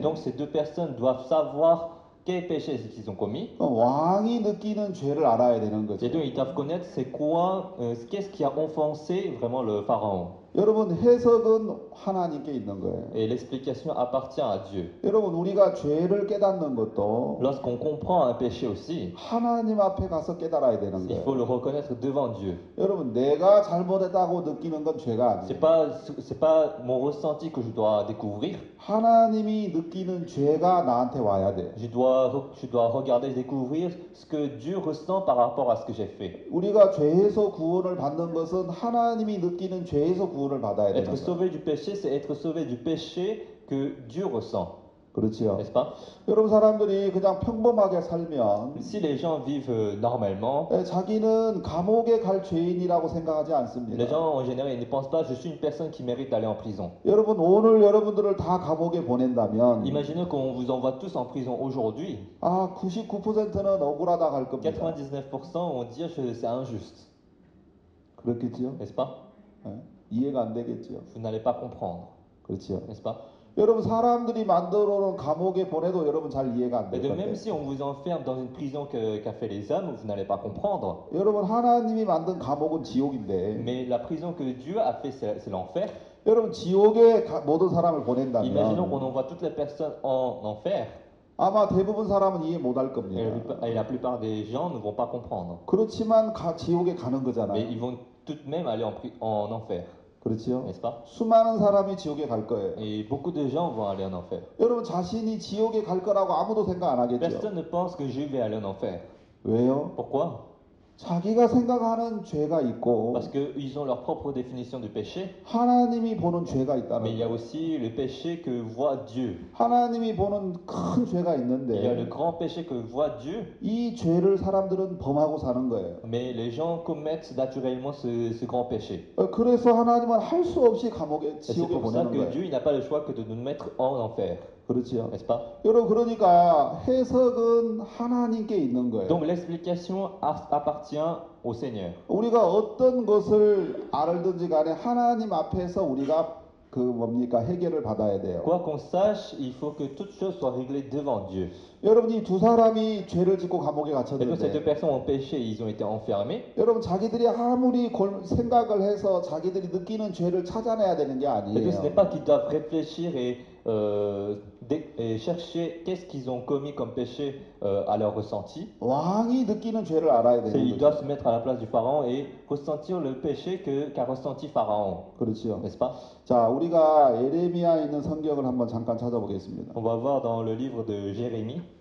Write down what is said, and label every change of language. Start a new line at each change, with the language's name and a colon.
French: donc, ces deux personnes doivent savoir quels péchés qu'ils ont commis.
Korean: vangi 느끼는 죄를 알아야 되는
French: Et donc,
Korean: 거죠.
French: ils doivent connaître c'est quoi, qu'est-ce qui a offensé vraiment le pharaon.
Korean: 여러분, 해석은 하나님께 있는
French: Et l'explication appartient à Dieu.
Korean: 거예요. 여러분, 우리가 죄를 깨닫는 것도
French: Lorsqu'on comprend un péché aussi,
Korean: 하나님 앞에 가서 깨달아야 되는
French: il faut le reconnaître devant Dieu.
Korean: 거예요. 여러분, 내가 잘못했다고 느끼는 건 죄가
French: Ce n'est pas mon ressenti que je dois découvrir.
Korean: 하나님이 느끼는 죄가 나한테 와야 돼.
French: Je dois regarder, découvrir ce que Dieu ressent par rapport à ce que j'ai fait.
Korean: 우리가 죄에서 구원을 받는 것은 하나님이 느끼는 죄에서 구원을 받아야 되는
French: Être sauvé du péché, c'est être sauvé du péché que Dieu ressent.
Korean: 그렇지요.
French: N'est-ce pas?
Korean: 여러분, 사람들이 그냥 평범하게 살면
French: Si les gens vivent normalement,
Korean: 자기는 감옥에 갈 죄인이라고 생각하지
French: les
Korean: 않습니다.
French: gens en général ne pensent pas, je suis une personne qui mérite d'aller en prison.
Korean: 여러분, 오늘 여러분들을 다 감옥에 보낸다면
French: Imaginez qu'on vous envoie tous en prison aujourd'hui.
Korean: 99%는 억울하다 갈 겁니다.
French: 99% vont dire que c'est injuste.
Korean: 그렇겠지요.
French: N'est-ce pas?
Korean: 이해가 안 되겠지요.
French: Vous n'allez pas comprendre.
Korean: 그렇지요.
French: N'est-ce pas?
Korean: 여러분, 사람들이 만들어 놓은 감옥에 보내도 여러분 잘 이해가 안
French: Et
Korean: 될
French: de
Korean: 건데.
French: même si on vous enferme dans une prison qu'a fait les hommes, vous n'allez pas comprendre.
Korean: 여러분, 하나님이 만든 감옥은 지옥인데.
French: Mais la prison que Dieu a fait, c'est l'enfer.
Korean: 여러분, 지옥에 모든 사람을
French: Imaginons qu'on envoie toutes les personnes en enfer.
Korean: 아마 대부분 사람은 이해 못할 겁니다.
French: Et la plupart des gens ne vont pas comprendre.
Korean: 그렇지만 지옥에 가는
French: Mais
Korean: 거잖아요.
French: ils vont tout de même aller en enfer.
Korean: 그렇지요.
French: n'est-ce pas?
Korean: 수많은 사람이 지옥에 갈 거예요.
French: Et beaucoup de gens vont aller en enfer.
Korean: 여러분, 자신이 지옥에 갈 거라고 아무도 생각 안 하겠죠.
French: Personne ne pense que je vais aller en enfer.
Korean: 왜요?
French: Pourquoi?
Korean: 자기가 생각하는 죄가 있고
French: Parce qu'ils ont leur propre définition du péché.
Korean: 하나님이 보는 죄가 있다는
French: Mais il y a
Korean: 거예요.
French: aussi le péché que voit Dieu.
Korean: 하나님이 보는 큰 죄가
French: Il y a le grand péché que voit Dieu.
Korean: 있는데 이 죄를 사람들은 범하고 사는 거예요.
French: Mais les gens commettent naturellement ce grand péché.
Korean: 그래서 하나님은 할수 없이 감옥에
French: Et c'est
Korean: 지옥에
French: pour ça
Korean: 보내는
French: que
Korean: 거예요.
French: Dieu il n'a pas le choix que de nous mettre en enfer.
Korean: 그렇지요.
French: N'est-ce pas?
Korean: 여러분, 그러니까 해석은 하나님께 있는 거예요.
French: Donc l'explication appartient au Seigneur.
Korean: 우리가 어떤 것을 알든지 간에 하나님 앞에서 우리가 그 뭡니까? 해결을 받아야 돼요.
French: Quoi qu'on sache, il faut que toute chose soit réglée devant Dieu.
Korean: 여러분이 두 사람이 죄를 짓고 감옥에
French: Et donc, ces deux personnes ont péché, ils ont été enfermés.
Korean: 여러분, 자기들이 아무리 생각을 해서 자기들이 느끼는 죄를 찾아내야 되는 게
French: Et donc, ce n'est
Korean: 아니에요.
French: pas qu'ils doivent réfléchir et chercher qu'est-ce qu'ils ont commis comme péché à leur ressenti.
Korean: 왕이 느끼는 죄를 알아야 되는
French: C'est, ils doivent se
Korean: 거죠.
French: mettre à la place du pharaon et ressentir le péché qu'a ressenti pharaon.
Korean: 그렇죠.
French: N'est-ce pas?
Korean: 자, 우리가 예레미야에 있는 성경을 한번 잠깐 찾아보겠습니다.
French: On va voir dans le livre de Jérémie.